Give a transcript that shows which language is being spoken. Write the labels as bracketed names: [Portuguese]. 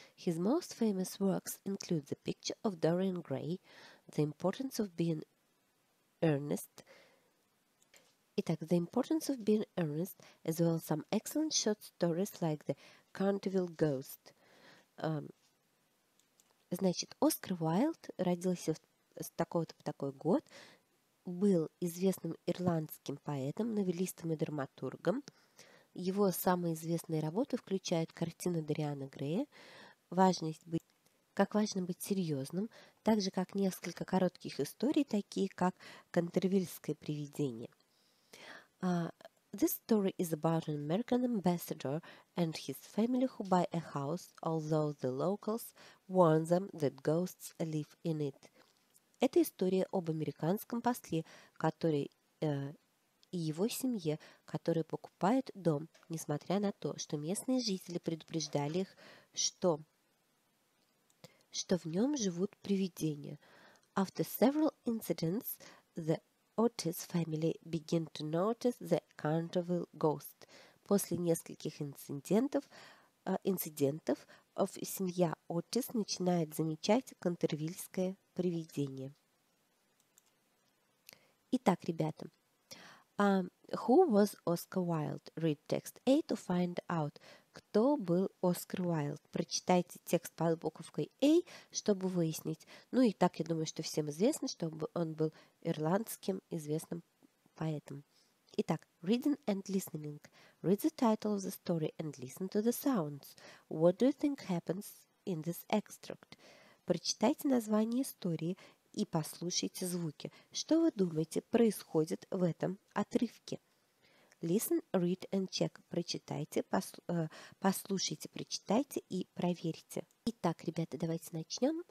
[English] His most famous works include The Picture of Dorian Gray, The Importance of Being Earnest, as well as some excellent short stories like The Canterville Ghost. [Russian] Значит, Оскар Уайльд родился с такого-то по такой год, был известным ирландским поэтом, новеллистом и драматургом. Его самые известные работы включают картины Дориана Грея, как важно быть серьезным, так же, как несколько коротких историй, такие как «Кантервильское привидение». [English] This story is about an American ambassador and his family who buy a house, although the locals warn them that ghosts live in it. [Russian] Это история об американском после, который и его семье, которые покупают дом, несмотря на то, что местные жители предупреждали их, что в нем живут привидения. [English] After several incidents, the Otis family begin to notice the Canterville ghost. [Russian] После нескольких инцидентов семья Отис начинает замечать Кантервильское привидение. Итак, ребята, [English] who was Oscar Wilde? Read text A to find out. [Russian] Кто был Оскар Уайльд? Прочитайте текст под буковкой A, чтобы выяснить. Ну и так, я думаю, что всем известно, что он был ирландским известным поэтом. [English] Итак, reading and listening. Read the title of the story and listen to the sounds. What do you think happens in this extract? [Russian] Прочитайте название истории и послушайте звуки. Что вы думаете происходит в этом отрывке? Listen, read and check. Прочитайте, послушайте, прочитайте и проверьте. Итак, ребята, давайте начнем.